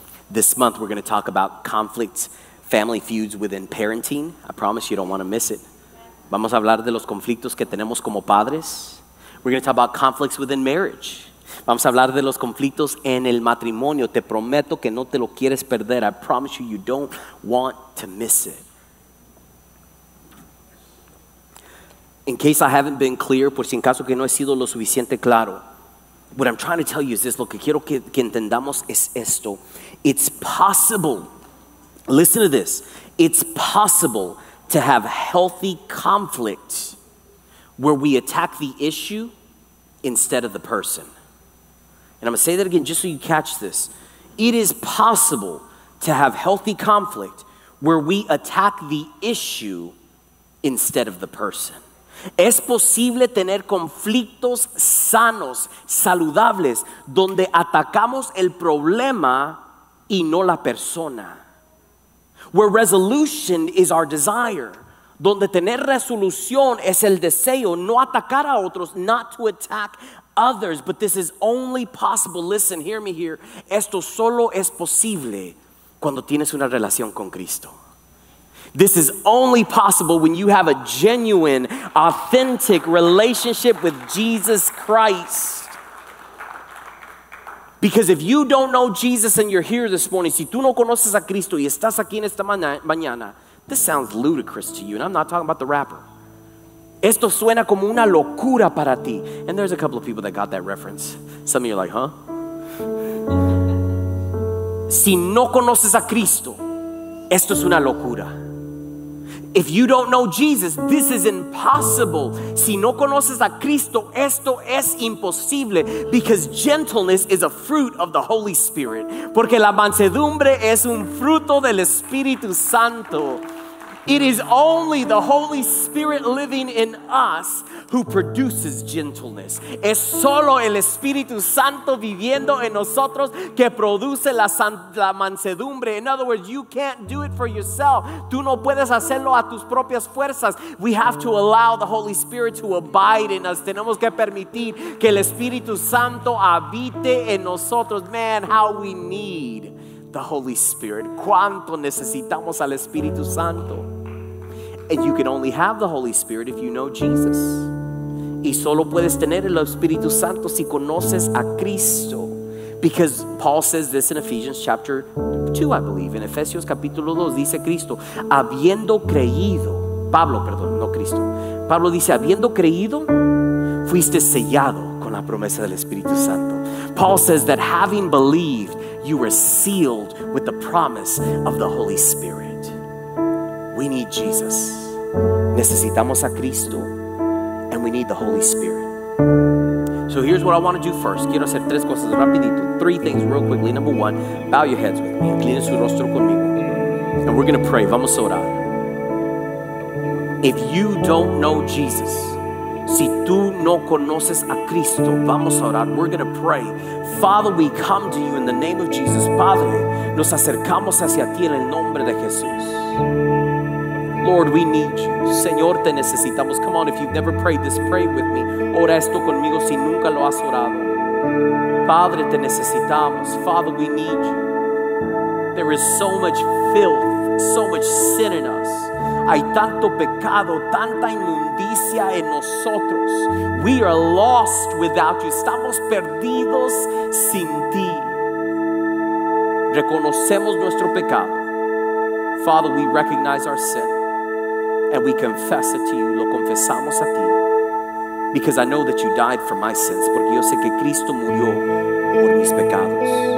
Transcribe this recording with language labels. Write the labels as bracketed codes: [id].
[en] This month we're going to talk about conflicts, family feuds within parenting. I promise you don't want to miss it. [es] Vamos a hablar de los conflictos que tenemos como padres. [en] We're going to talk about conflicts within marriage. [es] Vamos a hablar de los conflictos en el matrimonio. Te prometo que no te lo quieres perder. [en] I promise you, you don't want to miss it. In case I haven't been clear, [es] por si en caso que no he sido lo suficiente claro, [en] what I'm trying to tell you is this. [es] Lo que quiero que entendamos es esto. [en] It's possible. Listen to this. It's possible to have healthy conflict where we attack the issue instead of the person. And I'm going to say that again just so you catch this. It is possible to have healthy conflict where we attack the issue instead of the person. [es] Es posible tener conflictos sanos, saludables, donde atacamos el problema y no la persona. [en] Where resolution is our desire. [es] Donde tener resolución es el deseo, no atacar a otros, [en] not to attack others, but this is only possible. Listen, hear me here. [es] Esto solo es posible cuando tienes una relación con Cristo. [en] This is only possible when you have a genuine, authentic relationship with Jesus Christ. Because if you don't know Jesus and you're here this morning, [es] si tú no conoces a Cristo y estás aquí en esta mañana, [en] this sounds ludicrous to you, and I'm not talking about the rapper. [es] Esto suena como una locura para ti. [en] And there's a couple of people that got that reference. Some of you are like, huh? [es] Si no conoces a Cristo, Esto es una locura. [en] If you don't know Jesus, this is impossible. [es] Si no conoces a Cristo, esto es imposible. [en] Because gentleness is a fruit of the Holy Spirit. [es] Porque la mansedumbre es un fruto del Espíritu Santo. [en] It is only the Holy Spirit living in us who produces gentleness. [es] Es solo el Espíritu Santo viviendo en nosotros que produce la mansedumbre. [en] In other words, you can't do it for yourself. [es] Tú no puedes hacerlo a tus propias fuerzas. [en] We have to allow the Holy Spirit to abide in us. [es] Tenemos que permitir que el Espíritu Santo habite en nosotros. [en] Man, how we need the Holy Spirit. [es] Cuánto necesitamos al Espíritu Santo. [en] And you can only have the Holy Spirit if you know Jesus. [es] Y solo puedes tener el Espíritu Santo si conoces a Cristo. [en] Because Paul says this in Ephesians chapter 2, I believe. [es] In Efesios capítulo 2, dice Cristo, habiendo creído, Pablo, perdón, no Cristo. Pablo dice, habiendo creído, fuiste sellado con la promesa del Espíritu Santo. [en] Paul says that having believed, you were sealed with the promise of the Holy Spirit. We need Jesus. [es] Necesitamos a Cristo. [en] And we need the Holy Spirit. So here's what I want to do first. [es] Quiero hacer tres cosas rapidito. [en] Three things real quickly. Number one, bow your heads with me. [es] Inclina su rostro conmigo. [en] And we're going to pray. [es] Vamos a orar. [en] If you don't know Jesus, [es] si tú no conoces a Cristo, vamos a orar. [en] We're going to pray. Father, we come to you in the name of Jesus. [es] Padre, nos acercamos hacia ti en el nombre de Jesús. [en] Lord, we need you. [es] Señor, te necesitamos. [en] Come on, if you've never prayed this, pray with me. [es] Ora esto conmigo si nunca lo has orado. Padre, te necesitamos. [en] Father, we need you. There is so much filth, so much sin in us. [es] Hay tanto pecado, tanta inmundicia en nosotros. [en] We are lost without you. [es] Estamos perdidos sin ti. Reconocemos nuestro pecado. [en] Father, we recognize our sin. And we confess it to you. [es] Lo confesamos a ti. [en] Because I know that you died for my sins. [es] Porque yo sé que Cristo murió por mis pecados.